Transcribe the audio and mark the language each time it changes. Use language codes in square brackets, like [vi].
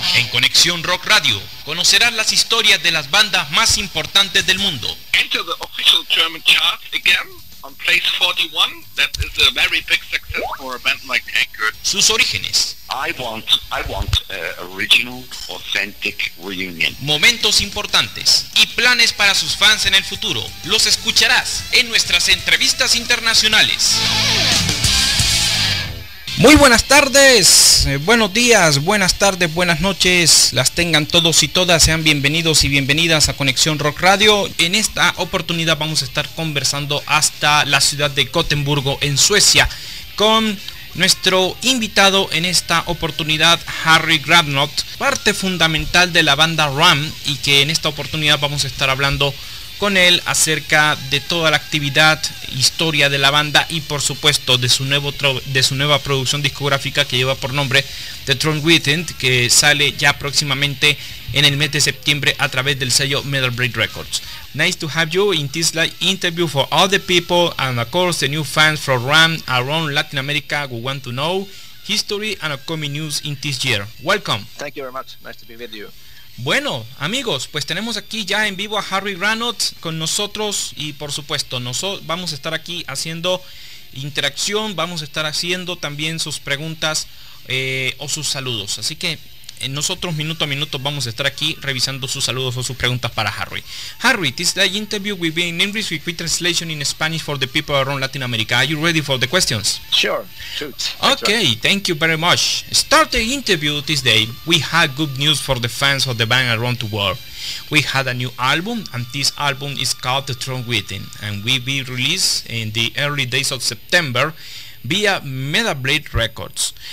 [es] Conexión Rock Radio conocerás las historias de las bandas más importantes del mundo. [en] Enter the official German chart again on place 41. That is a very big success for a band like Anchor. [es] Sus orígenes. [en] I want a original, authentic reunion. [es] Momentos importantes y planes para sus fans en el futuro. Los escucharás en nuestras entrevistas internacionales. Muy buenas tardes, buenos días, buenas tardes, buenas noches, las tengan todos y todas, sean bienvenidos y bienvenidas a Conexión Rock Radio. En esta oportunidad vamos a estar conversando hasta la ciudad de Gotemburgo en Suecia con nuestro invitado en esta oportunidad, Harry Grabnott, parte fundamental de la banda Ram, y que en esta oportunidad vamos a estar hablando con él acerca de toda la actividad, historia de la banda y por supuesto de su nuevo de su nueva producción discográfica que lleva por nombre The Throne Within, que sale ya próximamente en el mes de septiembre a través del sello Metal Blade Records. [en] Nice to have you in this live interview for all the people and of course the new fans from Ram around Latin America who want to know history and upcoming news in this year. Welcome. Thank you very much. Nice to be with you. [es] Bueno, amigos, pues tenemos aquí ya en vivo a Harry Grabnott con nosotros y por supuesto, vamos a estar aquí haciendo interacción, vamos a estar haciendo también sus preguntas o sus saludos. Así que nosotros minuto a minuto vamos a estar aquí revisando sus saludos o sus preguntas para Harry. [en] Harry, this is the interview we've been in English with translation in Spanish for the people around Latin America. Are you ready for the questions? Sure. Okay, thank you very much. Start the interview this day. We had good news for the fans of the band around the world. We had a new album, and this album is called The Throne Within, and will be released in the early days of September via Metal Blade Records.